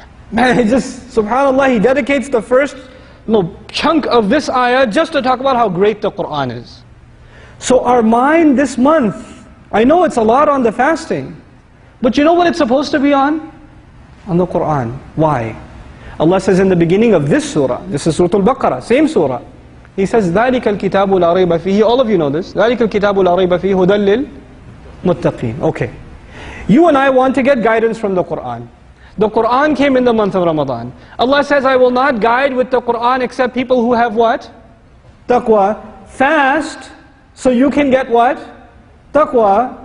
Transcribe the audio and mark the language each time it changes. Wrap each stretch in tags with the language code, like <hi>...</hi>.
<en>Man, he just, subhanAllah, he dedicates the first little chunk of this ayah just to talk about how great the Qur'an is. So our mind this month, I know it's a lot on the fasting, but you know what it's supposed to be on? On the Qur'an. Why? Allah says in the beginning of this surah, this is Surah Al-Baqarah, same surah. He says,</en> <ar>ذَلِكَ الْكِتَابُ لَا رَيْبَ فِيهِ.</ar> <en>All of you know this.</en> <ar>ذَلِكَ الْكِتَابُ لَا رَيْبَ فِيهِ هُدَى لِلْمُتَّقِينَ.</ar> <en>Okay. You and I want to get guidance from the Qur'an. The Qur'an came in the month of Ramadan. Allah says, I will not guide with the Qur'an except people who have what? Taqwa. Fast, so you can get what? Taqwa.</en>